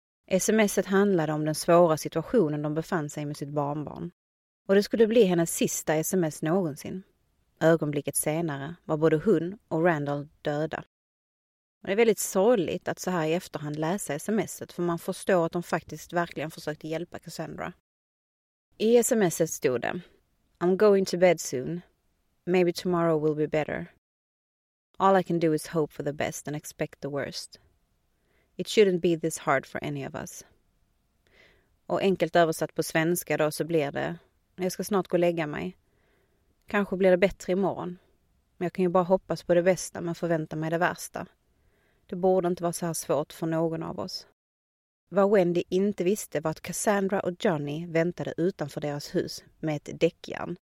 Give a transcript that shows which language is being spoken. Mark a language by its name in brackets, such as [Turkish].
[Swedish] SMS:et handlade om den svåra situationen de befann sig med sitt barnbarn. Och det skulle bli hennes sista sms någonsin. Ögonblicket senare var både hon och Randall döda. Och det är väldigt sorgligt att så här i efterhand läsa SMS:et, för man förstår att de faktiskt verkligen försökte hjälpa Cassandra. I SMS:et stod det: [English] I'm going to bed soon. Maybe tomorrow will be better. All I can do is hope for the best and expect the worst. It shouldn't be this hard for any of us. [Swedish] Och enkelt översatt på svenska då så blir det: jag ska snart gå och lägga mig. Kanske blir det bättre imorgon. Men jag kan ju bara hoppas på det bästa men förvänta mig det värsta. Det borde inte vara så här svårt för någon av oss. Vad Wendy inte visste var att Cassandra och Johnny väntade utanför deras hus med ett däckjärn.